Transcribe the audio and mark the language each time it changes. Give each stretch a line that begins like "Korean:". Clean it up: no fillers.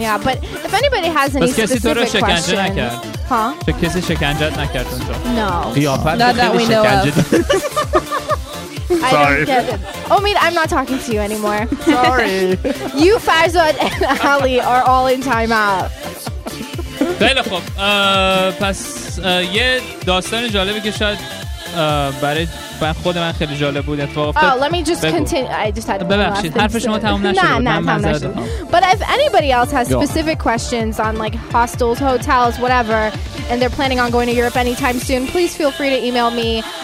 English: Yeah, but if anybody has any specific questions.
Persian: Huh? Kisi shikanjat nakard unjo?
English: No. Not that we know of. Sorry. Omid, I'm not talking to you anymore. Sorry. You, Farzad, and Ali are all in timeout.
Persian: خیلی خوب پس یه داستان جالبی که شاید برای من خود من خیلی جالب بود اتفاق افتاد.
English: Let me just continue. I just had
Persian: ببخشید حرف شما تموم نشد. نه تموم نشد.
English: But if anybody else has specific questions on like hostels, hotels, whatever, and they're planning on going to Europe anytime soon, please feel free to email me.